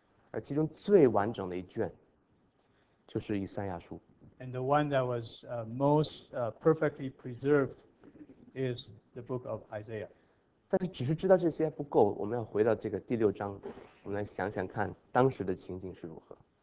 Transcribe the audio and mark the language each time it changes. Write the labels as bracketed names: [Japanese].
[Chinese] 而其中最完整的一卷就是以赛亚书。 [English] And the one that was most perfectly preserved is the book of Isaiah. [Chinese] 但是只是知道这些还不够，我们要回到这个第六章，我们来想想看当时的情景是如何。